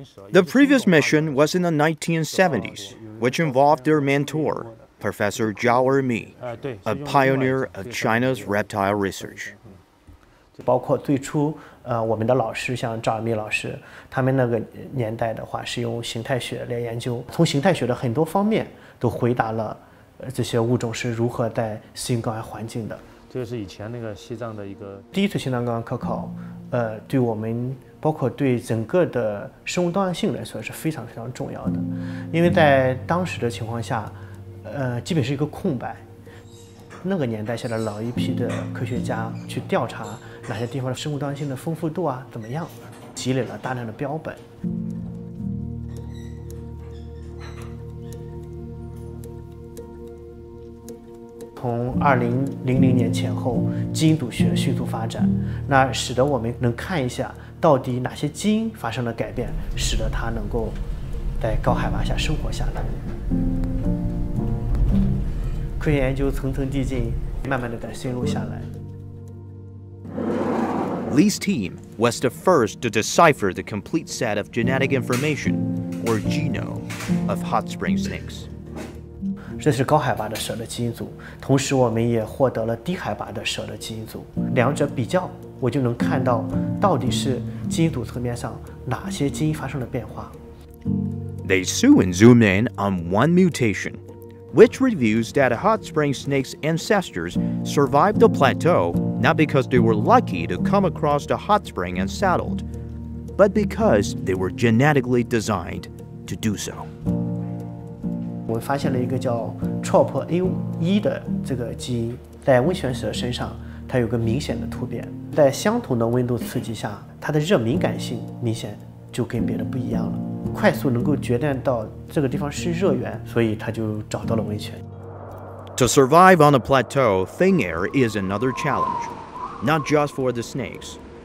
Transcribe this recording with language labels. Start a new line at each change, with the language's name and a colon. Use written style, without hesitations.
English: The previous mission was in the 1970s, which involved their mentor, Professor Zhao Ermi, a pioneer of China's reptile research.
Chinese: 包括最初，我们的老师像赵尔密老师，他们那个年代的话是用形态学来研究，从形态学的很多方面都回答了。这些物种是如何在新冠高压环境的，这是以前那个西藏的一个第一次新冠高压科考，对我们包括对整个的生物多样性来说是非常非常重要的，因为在当时的情况下，基本是一个空白，那个年代下的老一批的科学家去调查哪些地方的生物多样性的丰富度啊怎么样，积累了大量的标本。从2000年前后，基因组学迅速发展，那使得我们能看一下到底哪些基因发生了改变，使得它能够在高海拔下生活下来。科学研究层层递进，慢慢的在深入下来。
English: Lee's team was the first to decipher the complete set of genetic information, or genome, of hot spring snakes.
Chinese: 这是高海拔的蛇的基因组，同时我们也获得了低海拔的蛇的基因组，两者比较，我就能看到到底是基因组层面上哪些基因发生了变化。
English: They soon zoom in on one mutation, which reveals that hot spring snakes' ancestors survived the plateau not because they were lucky to come across the hot spring and settled, but because they were genetically designed to do so.
Chinese: 我们发现了一个叫 TROP-A1 的这个基因，在温泉蛇身上它有个明显的突变，在相同的温度刺激下，它的热敏感性明显就跟别的不一样了，快速能够决定到这个地方是热源，所以它就找到了温泉。
English: To survive on a plateau, thin air is another challenge, not just for the snakes.